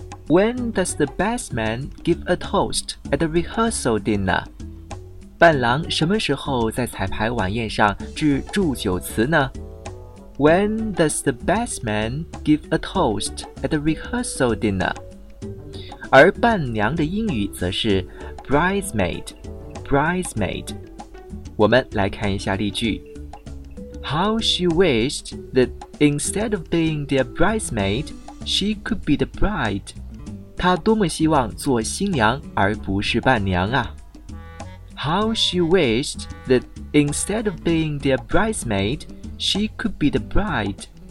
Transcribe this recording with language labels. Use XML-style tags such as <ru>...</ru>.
<en>When does the best man give a toast at the rehearsal dinner?</en> <zh>伴郎什么时候在彩排晚宴上致祝酒词呢？</zh> <en>When does the best man give a toast at the rehearsal dinner?</en> <zh>而伴娘的英语则是 bridesmaid, bridesmaid。我们来看一下例句。</zh> <en>How she wished that instead of being their bridesmaid, she could be the bride.</en> <zh>她多么希望做新娘而不是伴娘啊。</zh> <en>How she wished that instead of being their bridesmaid, she could be the bride.</en>